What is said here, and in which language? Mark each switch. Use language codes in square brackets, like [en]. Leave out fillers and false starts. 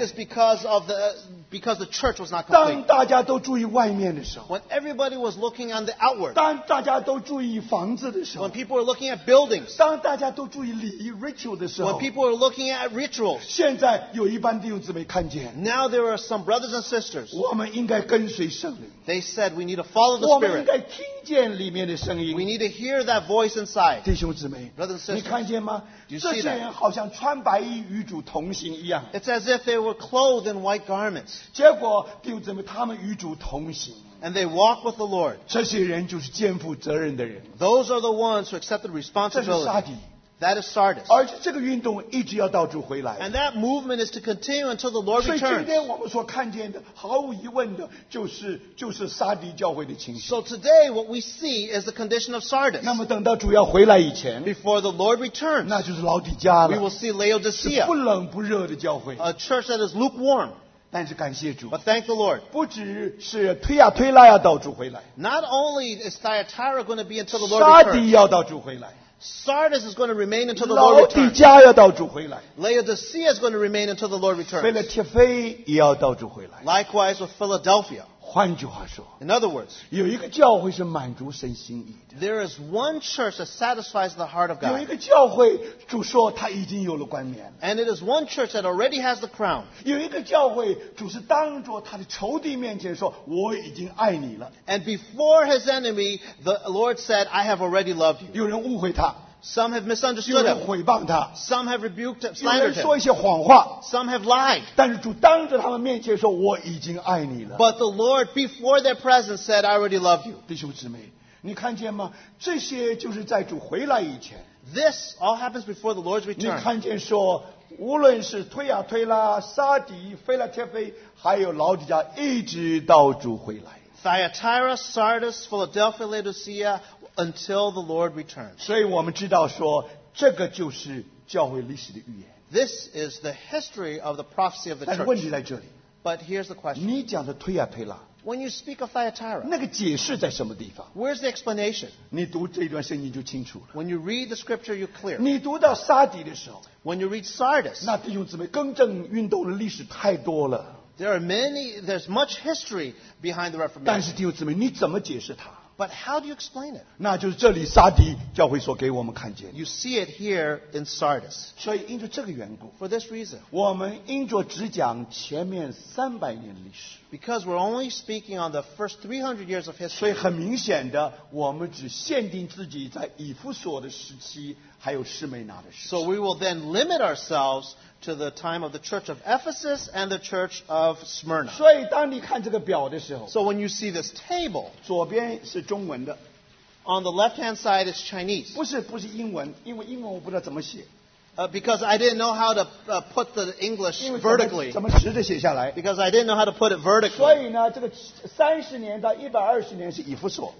[en] It is because the church was not complete. [zh] 当大家都注意外面的时候, [en] when everybody was looking on the outward, [zh] 当大家都注意房子的时候, [en] when people were looking at buildings, [zh] 当大家都注意礼仪, ritual的时候, [en] when people were looking at rituals, [zh] 现在有一般弟兄姊妹看见, [en] now there are some brothers and sisters, [zh] 我们应该跟随圣灵。 [en] They said we need to follow the Spirit. [zh] 我们应该听见里面的声音。 [en] We need to hear that voice inside. [zh] 弟兄姊妹, [en] brothers and sisters, [zh] 你看见吗? [en] Do you see that? [zh] 好像穿白衣与主同行一样, [en] it's as if they were clothed in white garments. [zh] 结果弟兄姊妹他们与主同行, [en] and they walk with the Lord. [zh] 这些人就是肩负责任的人。 [en] Those are the ones who accept the responsibility. [zh] 这是沙迪, [en] that is Sardis. [zh] 而且这个运动一直要到主回来, [en] and that movement is to continue until the Lord returns. [zh] 所以今天我们所看见的, 毫无疑问的就是沙迪教会的情形。 [en] So today what we see is the condition of Sardis. [zh] 那么等到主要回来以前, [en] before the Lord returns, [zh] 那就是老底家了, [en] we will see Laodicea, [zh] 是不冷不热的教会, [en] a church that is lukewarm. [zh] 但是感谢主, [en] but thank the Lord. [zh] 不只是推亚推拉要到主回来, [en] not only is Thyatira going to be until the Lord returns, [zh] 沙迪要到主回来, [en] Sardis is going to remain until the Lord returns. Laodicea is going to remain until the Lord returns. Likewise with Philadelphia. In other words, [zh] 有一个教会是满足神心意的, [en] there is one church that satisfies the heart of God. [zh] 有一个教会主说他已经有了冠冕了, [en] and it is one church that already has the crown. [zh] 有一个教会主是当着他的仇敌面前说我已经爱你了, [en] and before his enemy, the Lord said, I have already loved you. [zh] 有人误会他, [en] some have misunderstood him. Some have rebuked him, slandered him. Some have lied. But the Lord, before their presence, said, I already love you. [zh] 弟兄姊妹，你看见吗？这些就是在主回来以前, [en] this all happens before the Lord's return. [zh] 你看见说, 无论是推亚推拉, 撒底菲拉铁菲, 还有劳底家, 一直到主回来。 [en] Thyatira, Sardis, Philadelphia, Laodicea, until the Lord returns. [zh] 所以我们知道说, [en] this is the history of the prophecy of the church. [zh] 但是问题在这里, [en] but here's the question. [zh] 你讲的推啊推啦, [en] when you speak of Thyatira, [zh] 那个解释在什么地方? [en] Where's the explanation? [zh] 你读这一段圣经就清楚了, [en] when you read the scripture, you're clear. [zh] 你读到撒底的时候, [en] when you read Sardis, [zh] 那弟兄姊妹更正运动的历史太多了, [en] there's much history behind the Reformation. [zh] 但是弟兄姊妹, 你怎么解释它? [en] But how do you explain it? [zh] 那就是这里撒底教会所给我们看见。 [en] You see it here in Sardis. [zh] 所以因着这个缘故, [en] for this reason, [zh] 我们因着只讲前面300年的历史, [en] because we're only speaking on the first 300 years of history. [zh] 所以很明显的, 我们只限定自己在以弗所的时期, 还有士美拿的时期。 [en] So we will then limit ourselves to the time of the church of Ephesus and the church of Smyrna. [zh] 所以当你看这个表的时候, [en] so when you see this table, [zh] 左边是中文的, [en] on the left-hand side is Chinese. [zh] 不是英文, 因为英文我不知道怎么写。 [en] Because I didn't know how to put the English vertically. [zh] 怎么直的写下来? [en] Because I didn't know how to put it vertically. [zh] 所以呢,这个30年到120年是以弗所。